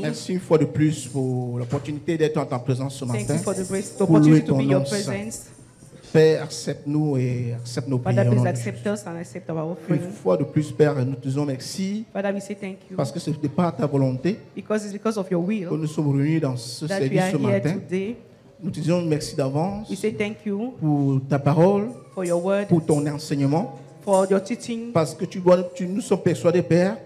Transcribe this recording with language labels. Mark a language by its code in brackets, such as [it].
[fr] Merci une fois de plus pour l'opportunité d'être en ta présence ce matin. [en] Thank you for the opportunity to be in your presence. [fr] Père, accepte-nous et accepte nos prières. [en] Father, please accept us and accept our offering. [fr] Une fois de plus, Père, nous te disons merci. [en] Father, we say thank you. [fr] Parce que ce n'est pas ta volonté. [en] Because it's because of your will. [fr] Que nous sommes réunis dans ce service ce matin. [en] Today. [fr] Nous te disons merci d'avance. [en] We say thank you [fr] pour ta parole, [en] for your word, [fr] pour ton enseignement, [en] for your teaching. [fr] Parce que tu nous sommes persuadés, Père,